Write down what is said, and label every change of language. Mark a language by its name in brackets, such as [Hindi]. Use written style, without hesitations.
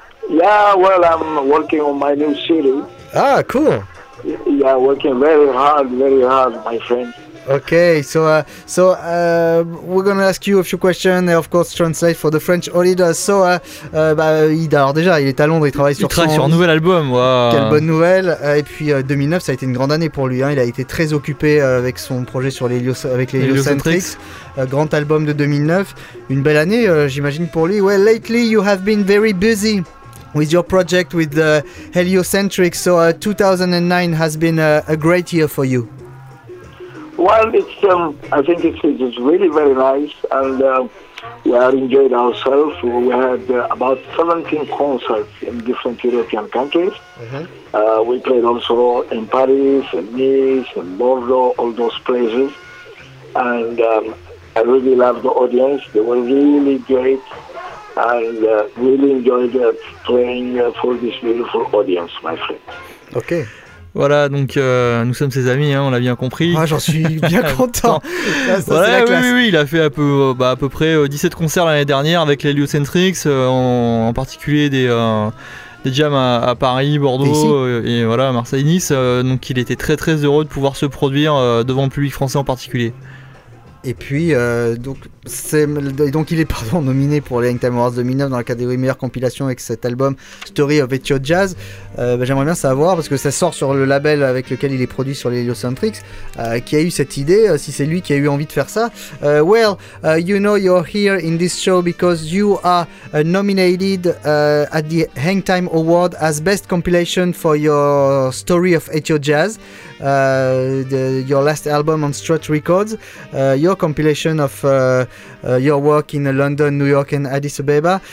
[English] Yeah, well, I'm working on my new city. Ah, cool. Yeah, working very hard, my friend. Okay, so we're gonna ask you a few questions and of course translate for the French auditors. [French] So, il est à Londres, il travaille sur Un nouvel album. Wow. Quelle bonne nouvelle! Et puis 2009, ça a été une grande année pour lui. Hein. Il a été très occupé avec son projet sur les Heliocentrics. Grand album de 2009, une belle année, j'imagine pour lui. [English] Well, lately you have been very busy with your project with the Heliocentrics. So 2009 has been a great year for you. Well, I think it's really very nice, and we are enjoyed ourselves. We had about 17 concerts in different European countries. Mm-hmm. We played also in Paris, in Nice, in Bordeaux, all those places. And I really loved the audience. They were really great, and really enjoyed playing for this beautiful audience, my friend. Okay. [French] Voilà, donc nous sommes ses amis, hein, on l'a bien compris. Ah, j'en suis bien content. Oui, il a fait à peu près 17 concerts l'année dernière avec les Heliocentrics, en particulier des jams à Paris, Bordeaux et voilà, Marseille, Nice. Donc il était très très heureux de pouvoir se produire devant le public français en particulier. Et puis, il est nominé pour les Hangtime Awards 2009 dans la catégorie meilleure compilation avec cet album Story of Ethio Jazz. J'aimerais bien savoir, parce que ça sort sur le label avec lequel il est produit sur les Heliocentrics, qui a eu cette idée, si c'est lui qui a eu envie de faire ça. [English] You know you're here in this show because you are nominated at the Hangtime Award as best compilation for your Story of Ethio Jazz. Your last album on Strut Records, your compilation of your work in London, New York and Addis Ababa.